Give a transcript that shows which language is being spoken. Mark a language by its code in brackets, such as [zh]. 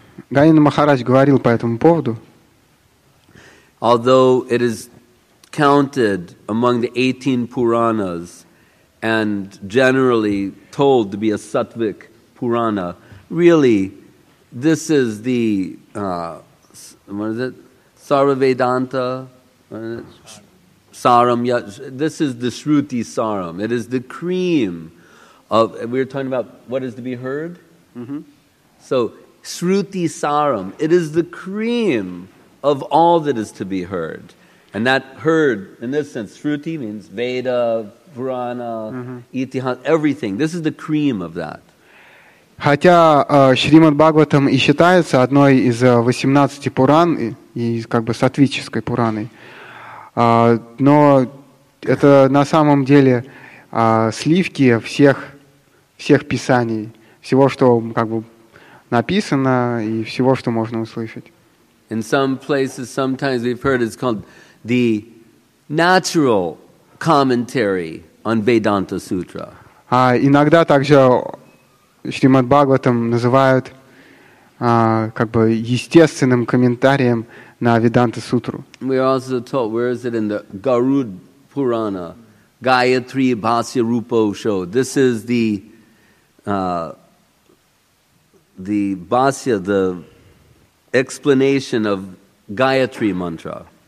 [ru] Ганина Махарадж говорил по этому поводу. [en] Although it is counted among the 18 Puranas and generally told to be a Sattvic Purana, really, this is the, Sarvavedanta, Saram, this is the Shruti Saram. It is the cream of, we were talking about what is to be heard? Mm-hmm. So, Shruti Saram, it is the cream of all that is to be heard. And that heard, in this sense, Shruti means Veda, Purana, Itihas, everything. This is the cream of that. [ru] Хотя Шримад Бхагаватам и считается одной из 18 Пуран, и как бы сатвической Пураной, но это на самом деле сливки всех писаний, всего, что как бы написано и всего, что можно услышать. [en] In some places, sometimes we've heard it's called the natural commentary on Vedanta Sutra. [ru] Иногда также Шримад Бхагаватам называют как бы естественным комментарием на Веданта Сутру. [en] We are also told, where is it in the Garud Purana, Gayatri Bhasya Rupa Usho. This is the Bhasya, the explanation of Gayatri Mantra.